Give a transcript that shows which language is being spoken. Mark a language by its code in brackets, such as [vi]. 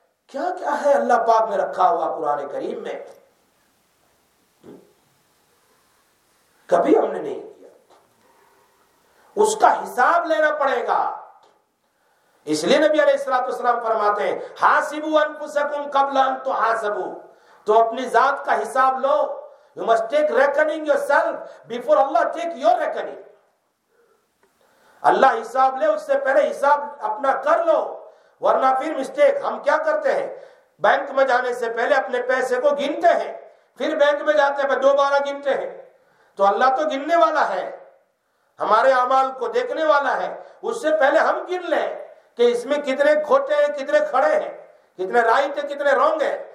[ur] کیا کیا ہے اللہ پاک میں رکھا ہوا قرآن کریم میں، کبھی ہم نے نہیں کیا، اس کا حساب لینا پڑے گا. اس لیے نبی علیہ الصلوۃ والسلام فرماتے ہیں [ar] حاسبوا انفسکم قبل ان تحاسبوا، [ur] تو اپنی ذات کا حساب لو. [en] You must take reckoning yourself before Allah take your reckoning. [ur] اللہ حساب لے اس سے پہلے حساب اپنا کر لو، ورنہ پھر مسٹیک. ہم کیا کرتے ہیں، بینک میں جانے سے پہلے اپنے پیسے کو گنتے ہیں، پھر بینک میں جاتے ہیں دوبارہ گنتے ہیں. تو اللہ تو گننے والا ہے، ہمارے اعمال کو دیکھنے والا ہے، اس سے پہلے ہم گن لیں کہ اس میں کتنے کھوٹے ہیں، کتنے کھڑے ہیں، کتنے رائٹ ہیں، کتنے رونگ ہیں.